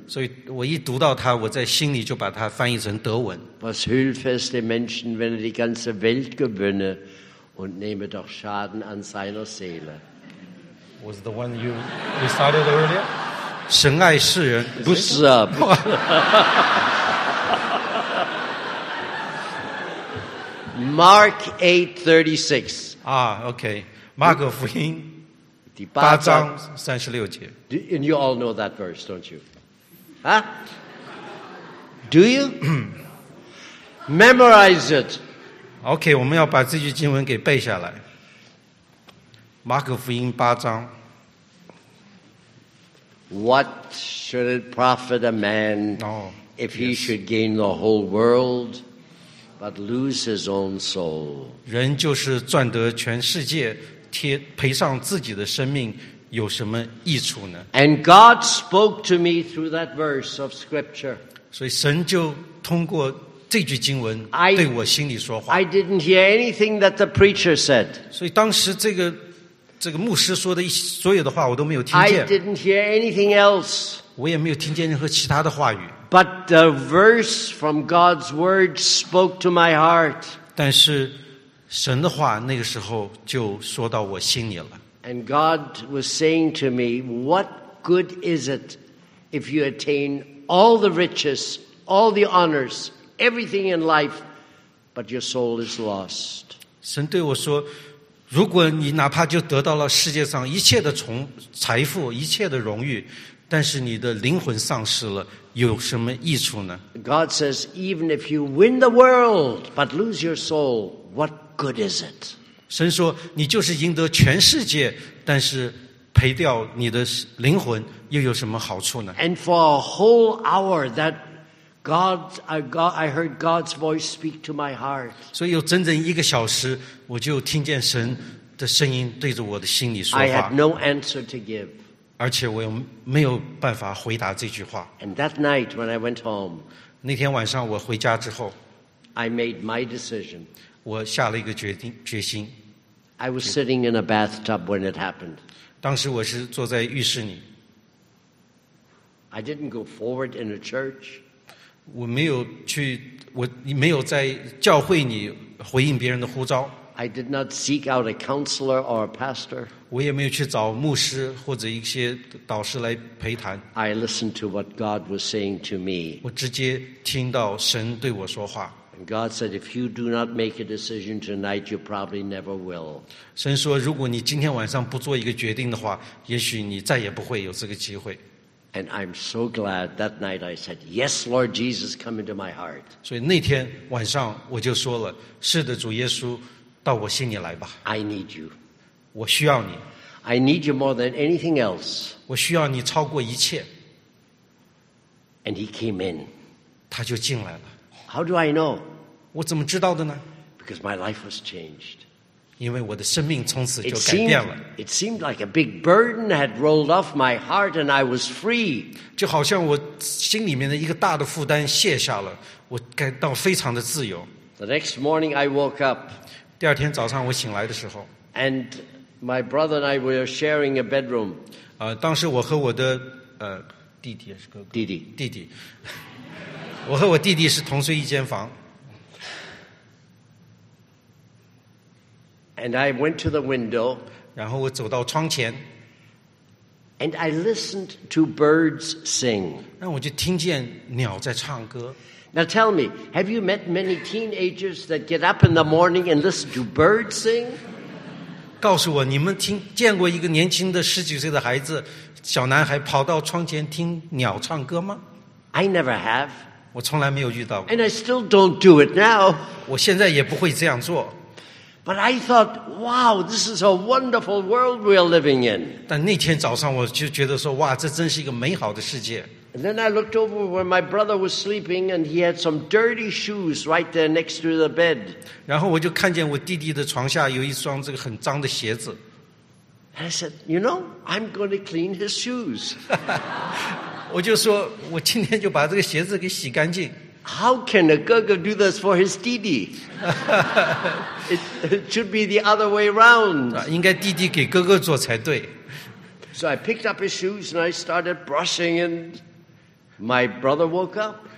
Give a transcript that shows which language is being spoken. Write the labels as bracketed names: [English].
[Chinese] 所以我一读到它，我在心里就把它翻译成德文。 [German] Was hilfest der Menschen, wenn er die ganze Welt gewinne und nehme doch Schaden an seiner Seele. [English] Was the one you recited earlier? [Chinese] 神爱世人，不是啊。 [English] Mark 8:36. [Chinese] Okay. 马可福音第八章三十六节。 [English] And you all know that verse, don't you? Huh? Do you? Memorize it. [Chinese] Okay, 我们要把这句经文给背下来。马可福音八章。 [English] What should it profit a man if he should gain the whole world but lose his own soul? [Chinese] 人就是赚得全世界，赔上自己的生命，有什么益处呢？ [English] And God spoke to me through that verse of scripture. [Chinese] 所以神就通过这句经文对我心里说话。 [English] I didn't hear anything that the preacher said. [Chinese] 所以当时这个牧师说的所有的话我都没有听见。 [English] I didn't hear anything else. [Chinese] 我也没有听见任何其他的话语。 [English] But the verse from God's word spoke to my heart. [Chinese] 但是神的话那个时候就说到我心里了。 [English] And God was saying to me, what good is it if you attain all the riches, all the honors, everything in life, but your soul is lost? [Chinese] 神对我说，如果你哪怕就得到了世界上一切的财富，一切的荣誉，但是你的灵魂丧失了，有什么益处呢？ [English] God says, even if you win the world, but lose your soul, what good is it? [Chinese] 神说，你就是赢得全世界，但是赔掉你的灵魂，又有什么好处呢？ [English] And for a whole hour that God, I heard God's voice speak to my heart. [Chinese] 所以有整整一个小时，我就听见神的声音对着我的心里说话。 [English] I had no answer to give. [Chinese] 而且我又没有办法回答这句话。 [English] And that night when I went home, [Chinese] 那天晚上我回家之后， [English] I made my decision. [Chinese] 我下了一个决心。 [English] I was sitting in a bathtub when it happened. [Chinese] 当时我是坐在浴室里。 [English] I didn't go forward in a church. [Chinese] 我没有在教会里回应别人的呼召。 [English] I did not seek out a counselor or a pastor. [Chinese] 我也没有去找牧师或者一些导师来陪谈。 [English] I listened to what God was saying to me. [Chinese] 我直接听到神对我说话。 [English] And God said, if you do not make a decision tonight, you probably never will. [Chinese] 神说，如果你今天晚上不做一个决定的话，也许你再也不会有这个机会。 [English] And I'm so glad that night I said, yes, Lord Jesus, come into my heart. [Chinese] 所以那天晚上我就说了，是的，主耶稣，到我心里来吧。 [English] I need you. [Chinese] 我需要你。 [English] I need you more than anything else. [Chinese] 我需要你超过一切。 [English] And he came in. [Chinese] 他就进来了。 [English] How do I know? [Chinese] 我怎么知道的呢？ [English] Because my life was changed. [Chinese] 因为我的生命从此就改变了。 [English] It seemed like a big burden had rolled off my heart and I was free. [Chinese] 就好像我心里面的一个大的负担卸下了，我感到非常的自由。 [English] The next morning I woke up. [Chinese] 第二天早上我醒来的时候。 [English] And my brother and I were sharing a bedroom. [Chinese] 当时我和我的弟弟还是哥哥？弟弟。弟弟。我和我弟弟是同睡一间房。 [English] And I went to the window. [Chinese] 然后我走到窗前。 [English] And I listened to birds sing. [Chinese] 那我就听见鸟在唱歌。 [English] Now tell me, have you met many teenagers that get up in the morning and listen to birds sing? [Chinese] 告诉我，你们见过一个年轻的十几岁的孩子，小男孩跑到窗前听鸟唱歌吗？ [English] I never have. [Chinese] 我从来没有遇到过。 [English] And I still don't do it now. [Chinese] 我现在也不会这样做。 [English] But I thought, wow, this is a wonderful world we are living in. [Chinese] 但那天早上我就觉得说，哇，这真是一个美好的世界。 [English] And then I looked over where my brother was sleeping, and he had some dirty shoes right there next to the bed. [Chinese] 然后我就看见我弟弟的床下有一双这个很脏的鞋子。 [English] And I said, you know, I'm going to clean his shoes. [Chinese] 我就说，我今天就把这个鞋子给洗干净。 [English] How can a 哥哥 do this for his 弟弟? It should be the other way around. [Chinese] 应该弟弟给哥哥做才对。 [English] So I picked up his shoes and I started brushing and my brother woke up.